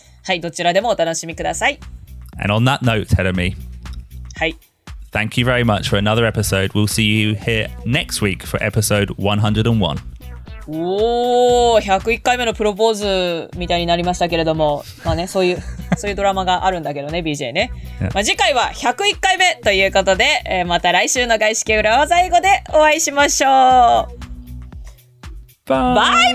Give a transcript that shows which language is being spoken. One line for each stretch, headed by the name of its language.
Japanese: はい、どちらでもお楽しみください。
English: And on that note, Terumi.
Japanese: はい。
English: Thank you very much for another episode. We'll see you here next week for episode 101.
Japanese: おお、101回目のプロポーズみたいになりましたけれども、まあね、そういう。そういうドラマがあるんだけどね、BJ ね。まあ、次回は101回目ということで、また来週の外資系裏技英語でお会いしましょう。バイバイ。